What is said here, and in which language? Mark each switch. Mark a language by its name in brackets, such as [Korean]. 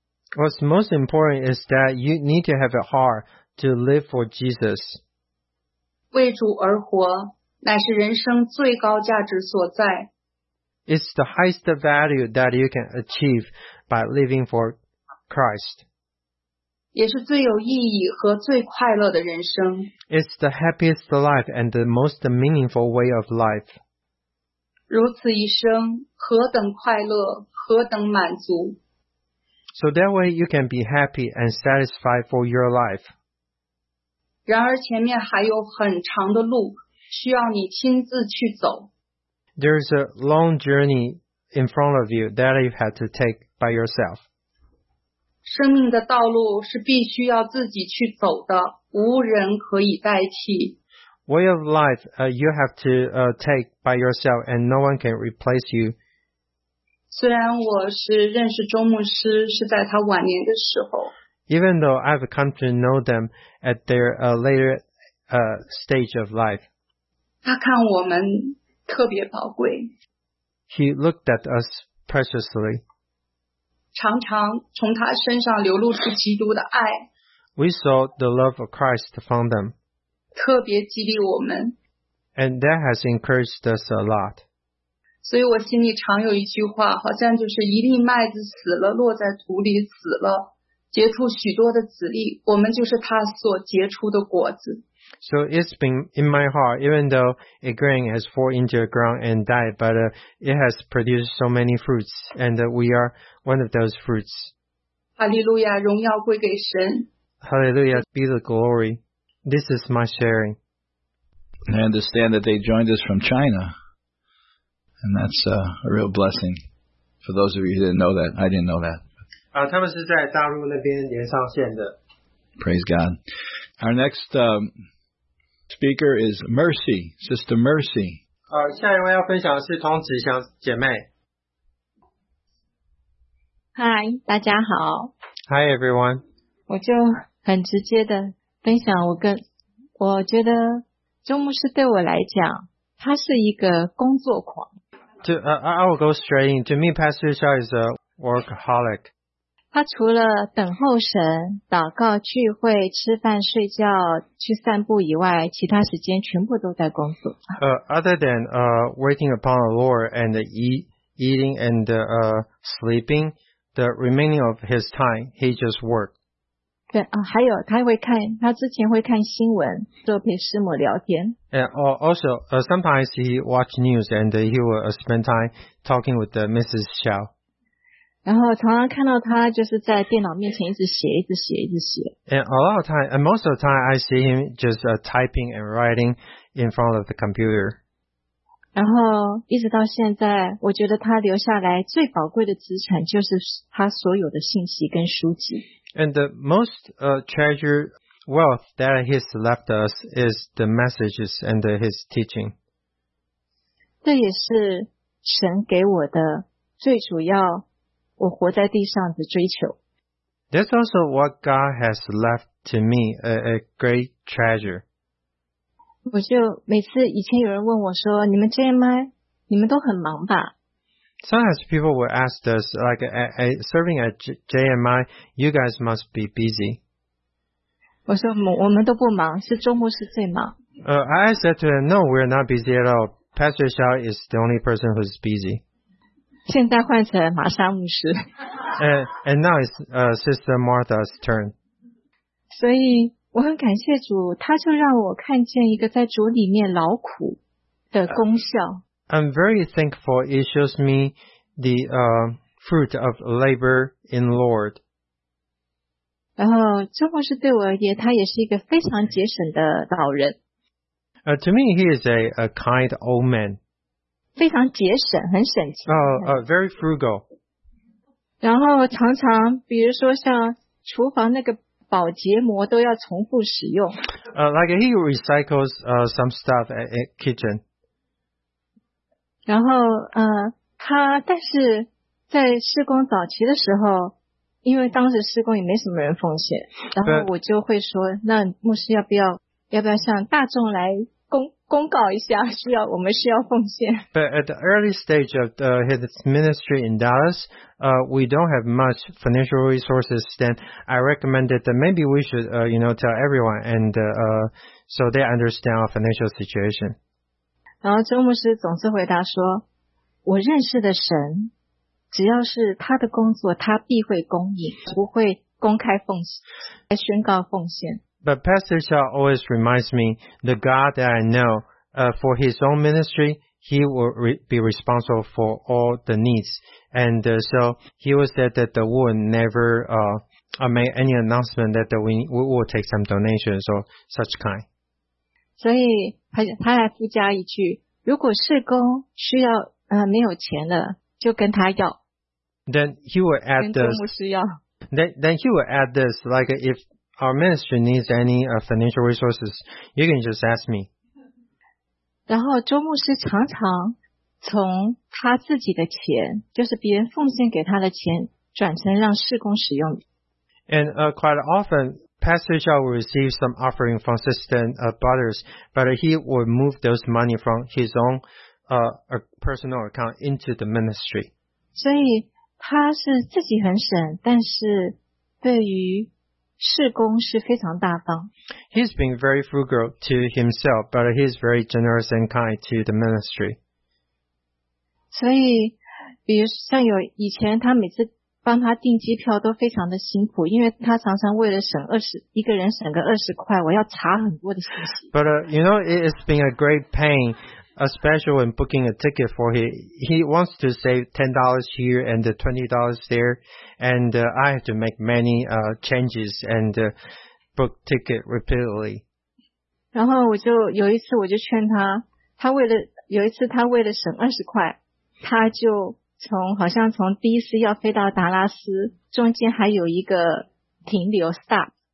[English] What's most important is that you need to have a heart to live for Jesus. [Chinese] 为主而活乃是人生最高价值所在。 [English] It's the highest value that you can achieve by living for Christ. [Chinese] 也是最有意义和最快乐的人生。 [English] It's the happiest life and the most meaningful way of life. [Chinese] 如此一生，何等快乐，何等满足。 [English] So that way you can be happy and satisfied for your life. [Chinese] 然而前面还有很长的路需要你亲自去走。 [English] There is a long journey in front of you that you had to take by yourself. [Chinese] 生命的道路是必须要自己去走的，无人可以代替。 [English] Way of life, you have to take by yourself and no one can replace you. [Chinese] 虽然我是认识周牧师是在他晚年的时候。 [English] Even though I've come to know them at their later stage of life. [Chinese] 他看我们特别宝贵。 [English] He looked at us preciously. [Chinese] 常常从他身上流露出基督的爱。 [English] We saw the love of Christ from them. [Chinese] 特别激励我们。 [English] And that has encouraged us a lot. [Chinese] 所以我心里常有一句话，好像就是一粒麦子死了，落在土里死了，结出许多的籽粒，我们就是他所结出的果子。 [English] So it's been in my heart, even though a grain has fallen into the ground and died, but it has produced so many fruits, and we are one of those fruits. [Chinese] Hallelujah, 荣耀归给神。 [English] Hallelujah, be the glory. This is my sharing. I understand that they joined us from China, and that's a real blessing. For those of you who didn't know that, I didn't know that. [Chinese] 他们是在大陆那边连上线的。 [English] Praise God. Our next speaker is Mercy, Sister Mercy. [Chinese] 下一位要分享的是童子祥姐妹。 Hi, 大家好。 [English] Hi, everyone. [Chinese] 我就很直接的分享我觉得周牧师对我来讲，他是一个工作狂。 [English] I will go straight in. To me, Pastor Shaw is a workaholic. [Chinese] 他除了等候神、祷告、聚会、吃饭、睡觉、去散步以外，其他时间全部都在工作。 [English] Other than waiting upon the Lord and eating and sleeping, the remaining of his time, he just worked. [Chinese] 对，还有他之前会看新闻，就陪师母聊天。 [English] Sometimes he watch news and he will spend time talking with Mrs. Xiao. [Chinese] 然后常常看到他就是在电脑面前一直写，一直写，一直写。 [English] And a lot of time, and most of the time, I see him just typing and writing in front of the computer. [Chinese] 然后一直到现在，我觉得他留下来最宝贵的资产就是他所有的信息跟书籍。 [English] And the most treasured wealth that he's left us is the messages and his teaching. [Chinese] 这也是神给我的最主要。我活在地上的追求。 [English] That's also what God has left to me, a great treasure. [Chinese] 我就每次以前有人问我说，你们 JMI, 你们都很忙吧？ [English] Sometimes people will ask us, like serving at JMI, you guys must be busy. [Chinese] 我说我们都不忙，是周牧师最忙。 [English] I said to them, no, we're not busy at all. Pastor Shaw is the only person who's busy. [Chinese] 现在换成玛莎牧师。 [English] And now it's Sister Martha's turn. [Chinese] 所以我很感谢主，他就让我看见一个在主里面劳苦的功效。 [English] I'm very thankful it shows me the fruit of labor in Lord. [Chinese] 然后周牧师对我而言，他也是一个非常节省的老人。 [English] To me, he is a kind old man. [Chinese] 非常节省，很省钱。 [English] Very frugal. [Chinese] 然后常常，比如说像厨房那个保洁膜都要重复使用。 [English] Like he recycles some stuff at kitchen. [Chinese] 然后他但是在施工早期的时候，因为当时施工也没什么人奉献，然后我就会说，那牧师要不要向大众来公告一下，需要我们需要奉献。 [English] But at the early stage of his ministry in Dallas, we don't have much financial resources. Then I recommended that maybe we should, tell everyone, and so they understand our financial situation. [Chinese] 然后周牧师总是回答说，我认识的神，只要是他的工作，他必会供应，不会公开奉献，来宣告奉献。 [English] But Pastor Chao always reminds me, the God that I know, for his own ministry, he will be responsible for all the needs. And so he always said that the world never made any announcement that we will take some donations or such kind. [Chinese] 所以他来附加一句，如果事工需要没有钱了，就跟他要。 [English] Then he will add this. [Chinese] 跟周牧师要。 [English] Then he will add this, like if. Our ministry needs any financial resources. You can just ask me. [Chinese] 然后周牧师常常从他自己的钱，就是别人奉献给他的钱，转成让事工使用。 [English] And quite often, Pastor Chao will receive some offering from sisters and brothers, but he will move those money from his own personal account into the ministry. [Chinese] 所以他是自己很省，但是对于事工是非常大方。 [English] He's been very frugal to himself, but he's very generous and kind to the ministry. [Chinese] 所以，比如像有以前他每次帮他订机票都非常的辛苦，因为他常常为了省一个人省个20块，我要查很多的信息。 [English] But it's been a great pain, especially when booking a ticket for him. He wants to save $10 here and $20 there. And I have to make many changes and book ticket repeatedly. [Chinese] 然后我就有一次我就劝他，他为了有一次他为了省20块，他就从好像从第一次要飞到达拉斯，中间还有一个停留 stop.